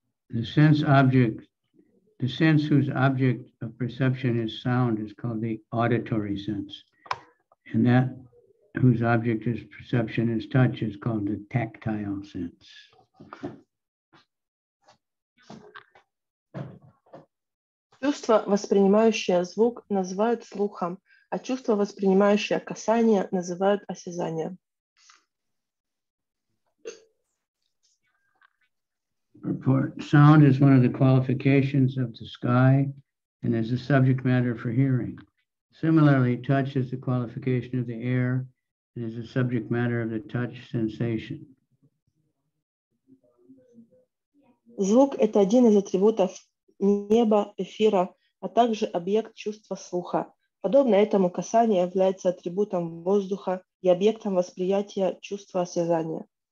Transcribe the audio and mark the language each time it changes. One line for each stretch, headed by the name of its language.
English: The sense whose object of perception is sound is called the auditory sense. And that whose object is perception is touch is called the tactile sense.
Russian: Чувство, воспринимающее звук, называют слухом, а чувство, воспринимающее касание, называют осязанием.
English: Sound is one of the qualifications of the sky and is a subject matter for hearing. Similarly, touch is the qualification of the air and is a subject matter of the touch sensation.
Russian: Звук — это один из атрибутов неба, эфира, а также объект чувства слуха. Подобно этому, касание является атрибутом воздуха и объектом восприятия чувства осязания.